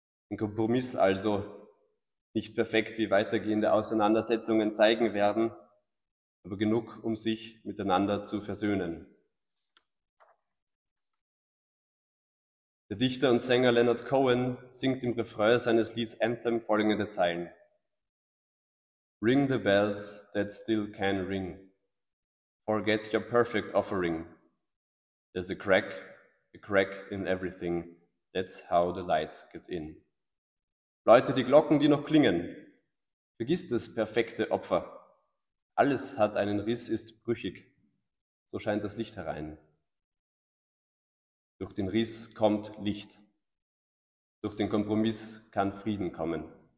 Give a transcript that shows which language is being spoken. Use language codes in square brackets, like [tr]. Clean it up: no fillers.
[de] Ein Kompromiss also, nicht perfekt, wie weitergehende Auseinandersetzungen zeigen werden, aber genug, um sich miteinander zu versöhnen. Der Dichter und Sänger Leonard Cohen singt im Refrain seines Lieds Anthem folgende Zeilen. [en] Ring the bells that still can ring. Forget your perfect offering. There's a crack in everything. That's how the lights get in. [de] Läute die Glocken, die noch klingen. Vergiss das perfekte Opfer. Alles hat einen Riss, ist brüchig. So scheint das Licht herein. Durch den Riss kommt Licht. Durch den Kompromiss kann Frieden kommen.